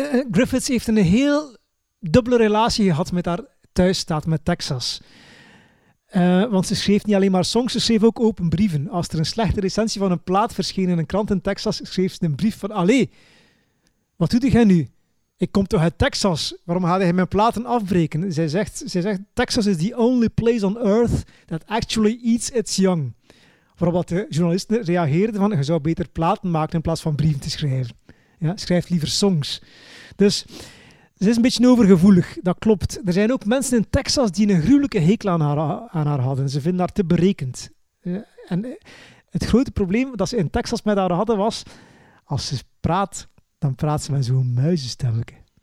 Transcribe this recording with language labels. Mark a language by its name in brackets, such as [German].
[Dutch] Griffiths heeft een heel dubbele relatie gehad met haar thuisstaat, met Texas. Want ze schreef niet alleen maar songs, ze schreef ook open brieven. Als er een slechte recensie van een plaat verscheen in een krant in Texas, schreef ze een brief van, allee, wat doet jij nu? Ik kom toch uit Texas? Waarom ga je mijn platen afbreken? Zij zegt, [English] Texas is the only place on earth that actually eats its young. [Dutch] Waarop de journalisten reageerden van, je zou beter platen maken in plaats van brieven te schrijven. Ja, schrijf liever songs. Dus ze is een beetje overgevoelig, dat klopt. Er zijn ook mensen in Texas die een gruwelijke hekel aan haar hadden. Ze vinden haar te berekend. En het grote probleem dat ze in Texas met haar hadden was, als ze praat, dan praat ze met zo'n muizenstemmetje.